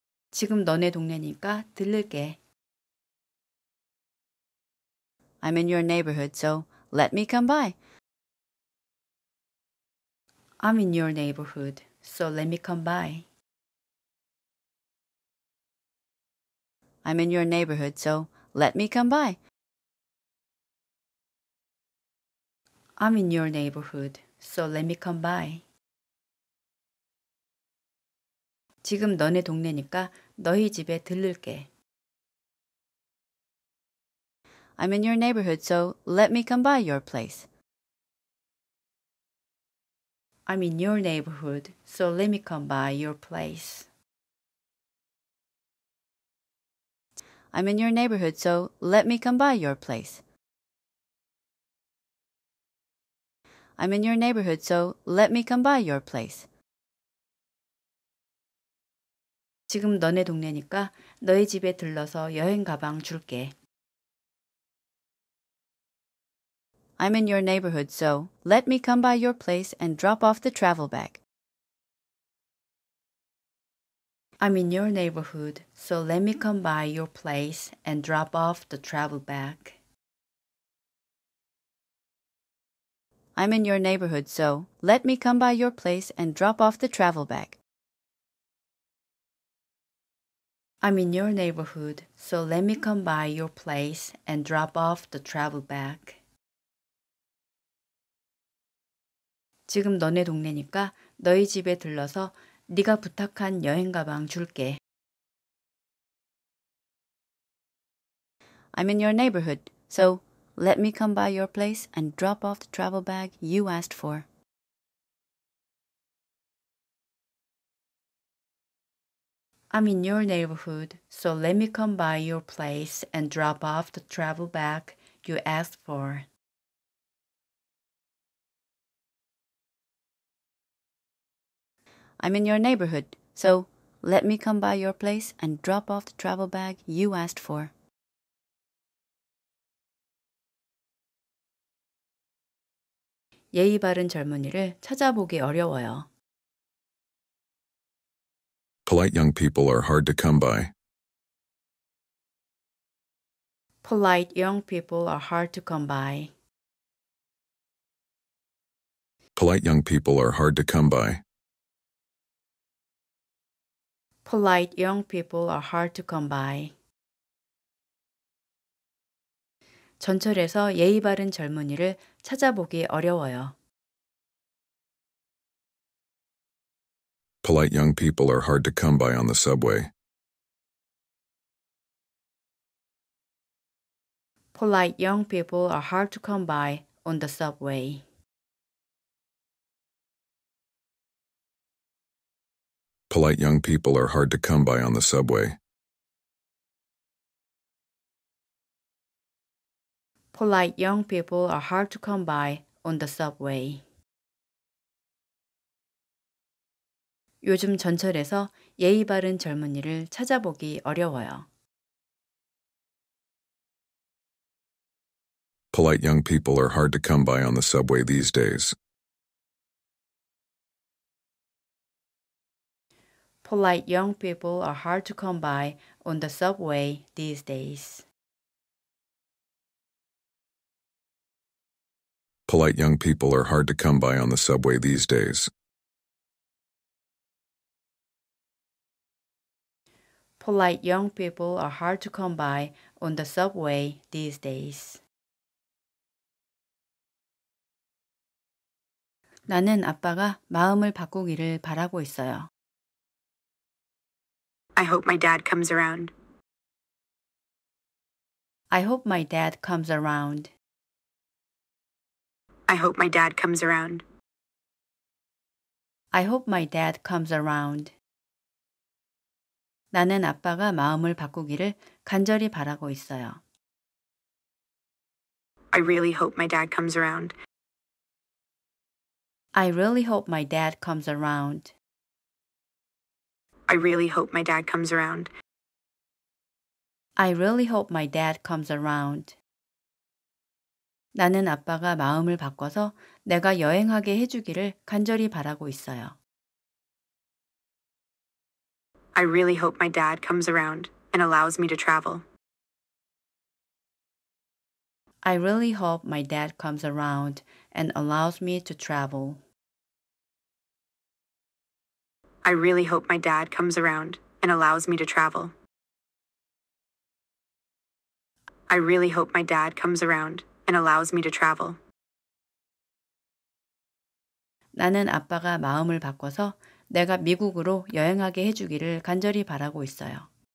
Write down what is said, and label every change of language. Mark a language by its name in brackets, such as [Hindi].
[Korean] 지금 너네 동네니까 들를게. [English] I'm in your neighborhood, so let me come by. I'm in your neighborhood, so let me come by. I'm in your neighborhood, so let me come by. I'm in your neighborhood, so let me come by. [Korean] 지금 너네 동네니까 너희 집에 들를게. [English] I'm in your neighborhood, so let me come by your place. I'm in your neighborhood, so let me come by your place. I'm in your neighborhood, so let me come by your place. I'm in your neighborhood, so let me come by your place. [Korean] 지금 너네 동네니까 너희 집에 들러서 여행 가방 줄게. [English] I'm in your neighborhood, so let me come by your place and drop off the travel bag. I'm in your neighborhood, so let me come by your place and drop off the travel bag. I'm in your neighborhood, so let me come by your place and drop off the travel bag. I'm in your neighborhood, so let me come by your place and drop off the travel bag. [Korean] 지금 너네 동네니까 너희 집에 들러서 네가 부탁한 여행 가방 줄게. [English] I'm in your neighborhood, so let me come by your place and drop off the travel bag you asked for. I'm in your neighborhood, so let me come by your place and drop off the travel bag you asked for. I'm in your neighborhood, so let me come by your place and drop off the travel bag you asked for. [Korean] 예의 바른 젊은이를 찾아보기 어려워요. [English] Polite young people are hard to come by. Polite young people are hard to come by. Polite young people are hard to come by. Polite young people are hard to come by. [Korean] 전철에서 예의 바른 젊은이를 찾아보기 어려워요. [English] Polite young people are hard to come by on the subway. Polite young people are hard to come by on the subway. Polite young people are hard to come by on the subway. Polite young people are hard to come by on the subway. [Korean] 요즘 전철에서 예의 바른 젊은이를 찾아보기 어려워요. [English] Polite young people are hard to come by on the subway these days. Polite young people are hard to come by on the subway these days. Polite young people are hard to come by on the subway these days. Polite young people are hard to come by on the subway these days. [Korean] 나는 아빠가 마음을 바꾸기를 바라고 있어요. [English] I hope my dad comes around. I hope my dad comes around. I hope my dad comes around. I hope my dad comes around. [Korean] 나는 아빠가 마음을 바꾸기를 간절히 바라고 있어요. [English] I really hope my dad comes around. I really hope my dad comes around. I really hope my dad comes around. I really hope my dad comes around. [Korean] 나는 아빠가 마음을 바꿔서 내가 여행하게 해주기를 간절히 바라고 있어요. [English] I really hope my dad comes around and allows me to travel. I really hope my dad comes around and allows me to travel. I really hope my dad comes around and allows me to travel. I really hope my dad comes around and allows me to travel. [Korean] 나는 아빠가 마음을 바꿔서 내가 미국으로 여행하게 해주기를 간절히 바라고 있어요.